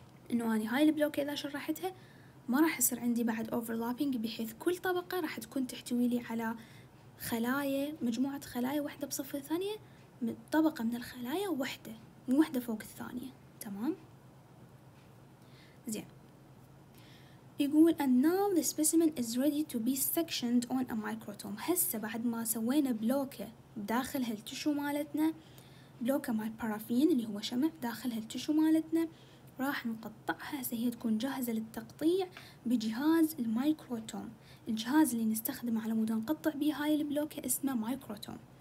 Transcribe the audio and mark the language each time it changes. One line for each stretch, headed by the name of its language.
Arabic: إنه أنا هاي البلوكة إذا شرحتها ما راح يصير عندي بعد أوفرلابينج، بحيث كل طبقة راح تكون تحتوي لي على خلايا، مجموعة خلايا واحدة بصف الثانية، طبقة من الخلايا واحدة مو واحدة فوق الثانية، تمام؟ زين. يقول
English: and now the specimen is ready to be sectioned on a microtome.
Arabic: هسه بعد ما سوينا بلوكة داخل هالتشو مالتنا، بلوكة مع البارافين اللي هو شمع داخل هالتشو مالتنا، راح نقطعها، هي تكون جاهزة للتقطيع بجهاز المايكروتوم. الجهاز اللي نستخدمه على مود نقطع به هاي البلوكة اسمه مايكروتوم.